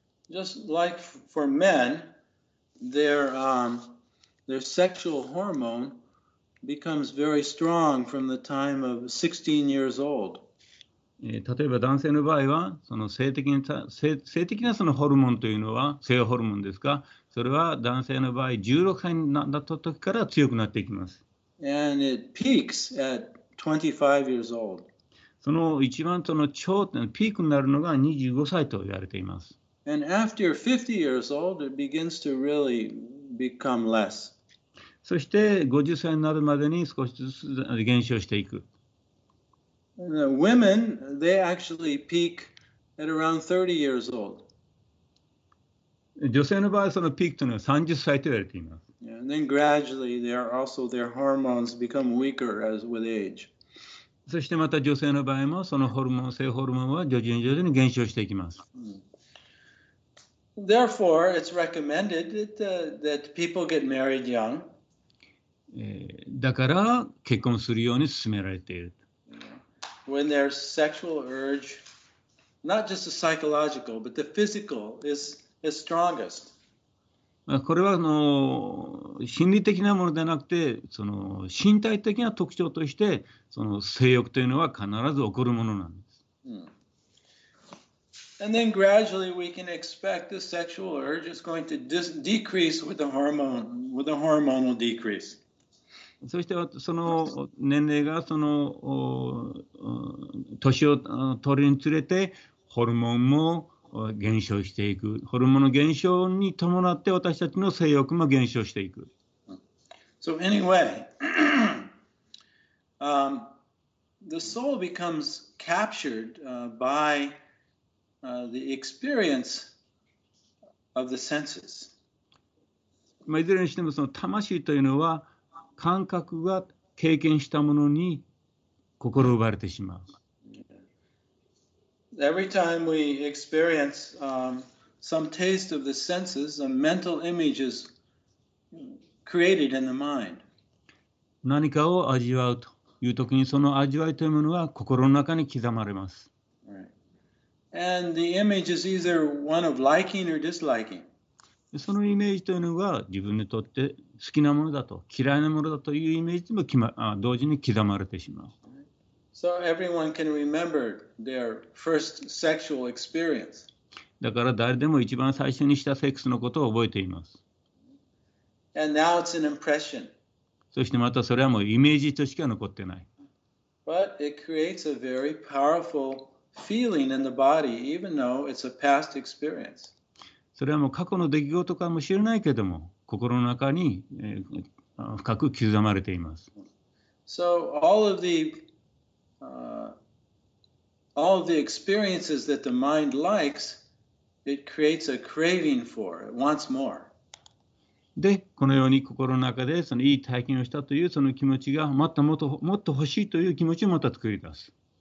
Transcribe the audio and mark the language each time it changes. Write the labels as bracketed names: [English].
[English] Just like for men, their sexual hormone becomes very strong from the time of 16 years old. [Japanese] 例えば男性の場合はその性的なそのホルモンというのは性ホルモンですか？それは男性の場合16歳になった時から強くなっていきます。 [English] And it peaks at 25 years old. [Japanese] その一番その頂点ピークになるのが25歳と言われています。 [English] And after 50 years old, it begins to really become less. [Japanese] そして50歳になるまでに少しずつ減少していく。 [English] Women, they actually peak at around 30 years old. [Japanese] 女性の場合そのピークというのは30歳と言われています。 [English] Yeah, and then gradually, their hormones become weaker as with age. [Japanese] そしてまた女性の場合もそのホルモン、性ホルモンは徐々に減少していきます。 [English] Therefore, it's recommended that people get married young. [Japanese] だから結婚するように勧められている。 [English] When their sexual urge, not just the psychological, but the physical, is strongest. [Japanese] これは心理的なものではなくて、その身体的な特徴として、その性欲というのは必ず起こるものなんです。 [English] And then gradually we can expect the sexual urge is going to decrease with the hormonal decrease. [Japanese] そしてその年齢がその年を取るにつれてホルモンも減少していく。ホルモンの減少に伴って私たちの性欲も減少していく。 [English] So anyway, the soul becomes captured by the experience of the senses. [Japanese] いずれにしてもその魂というのは感覚が経験したものに心を奪われてしまう。 [English] Every time we experience some taste of the senses, a mental image is created in the mind. [Japanese] 何かを味わうというときにその味わいというものは心の中に刻まれます。 [English] And the image is either one of liking or disliking. [Japanese] そのイメージというのが自分にとって好きなものだと嫌いなものだというイメージも同時に刻まれてしまう。 [English] So everyone can remember their first sexual experience. [Japanese] だから誰でも一番最初にしたセックスのことを覚えています。 [English] And now it's an impression. [Japanese] そしてまたそれはもうイメージとしか残ってない。 [English] But it creates a very powerful feeling in the body, even though it's a past experience. [Japanese] それはもう過去の出来事かもしれないけども、心の中に深く刻まれています。 [English] So all of the experiences that the mind likes, it creates a craving for. It wants more. [Japanese] で、このように心の中でそのいい体験をしたというその気持ちがまたもっともっと欲しいという気持ちをまた作り出す。